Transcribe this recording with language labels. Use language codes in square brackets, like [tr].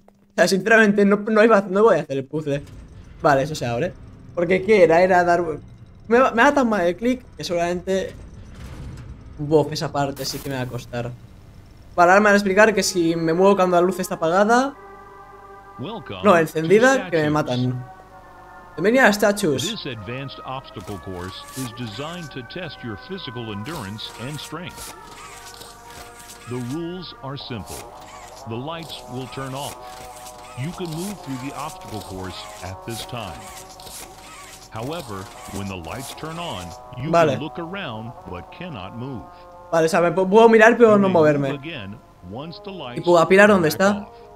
[es] O sea, sinceramente, no voy a hacer el puzzle. Vale, eso se abre. Porque, ¿qué era? Era dar. Me da tan mal el click que seguramente. Buf, esa parte sí que me va a costar. Vale, ahora me van a explicar que si me muevo cuando la luz está apagada. No, encendida, que me matan. Bienvenida a Statues. [en] This advanced obstacle course is designed to test your physical endurance and strength. The rules are simple. The lights will turn off. You can move through the obstacle course at this time. However, when the lights turn on, you can look around but cannot move. [es] Vale, o sea, me puedo mirar pero no moverme. ¿Y puedo apilar dónde está?